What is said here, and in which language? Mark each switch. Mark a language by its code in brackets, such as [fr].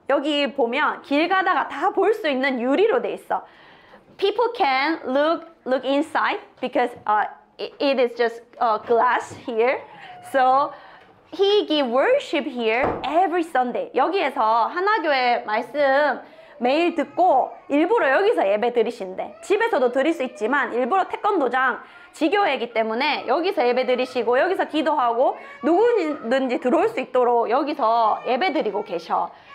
[ko] 여기 보면 길 가다가 다 볼 수 있는 유리로 돼 있어. [en] People can look inside because it is just glass here. So he give worship here every Sunday. [ko] 여기에서 하나교회 말씀 매일 듣고 일부러 여기서 예배 드리신대. 집에서도 드릴 수 있지만 일부러 태권도장 지교회이기 때문에 여기서 예배 드리시고 여기서 기도하고 누구든지 들어올 수 있도록 여기서 예배 드리고 계셔.